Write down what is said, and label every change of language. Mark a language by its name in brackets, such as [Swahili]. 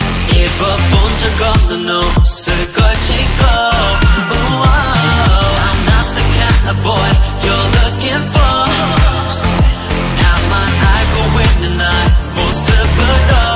[Korean] 입어본 적 없는 옷을 걸치고. [English] I'm not the kind of boy you're looking for. [Korean] 나만 알고 있는 나의 모습으로.